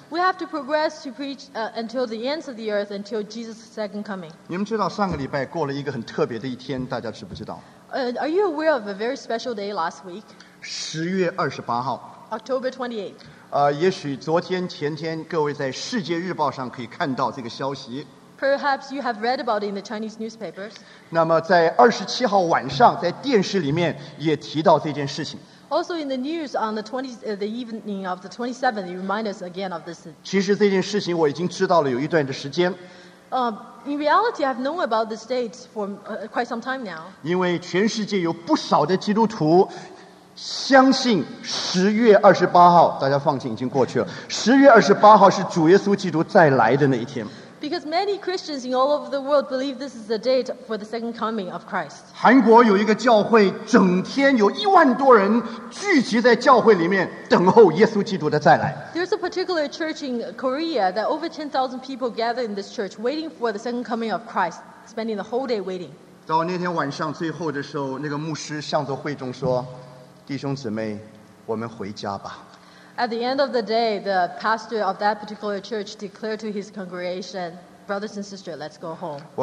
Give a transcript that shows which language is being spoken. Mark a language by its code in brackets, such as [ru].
[en] We have to progress to preach until the ends of the earth, until Jesus' second coming. [zh] 你们知道上个礼拜过了一个很特别的一天，大家知不知道？ [en] Are you aware of a very special day last week? [zh] 10月28号。 [en] October 28th. [zh] 也许昨天、前天各位在世界日报上可以看到这个消息。 [en] Perhaps you have read about it in the Chinese newspapers. [zh] 那么在27号晚上，在电视里面也提到这件事情。 [en] Also in the news on the evening of the 27th, you remind us again of this. [zh] 其实这件事情我已经知道了有一段的时间。 [en] In reality, I've known about this date for quite some time now. [zh] 因为全世界有不少的基督徒相信10月28号，大家放心，已经过去了。10月28号是主耶稣基督再来的那一天。 [en] Because many Christians in all over the world believe this is the date for the second coming of Christ. [zh] 韩国有一个教会，整天有10,000多人聚集在教会里面等候耶稣基督的再来。 [en] There's a particular church in Korea that over 10,000 people gather in this church waiting for the second coming of Christ, spending the whole day waiting. [zh] 到那天晚上最后的时候，那个牧师向着会众说：“弟兄姊妹，我们回家吧。” [en] At the end of the day, the pastor of that particular church declared to his congregation, "Brothers and sisters, let's go home."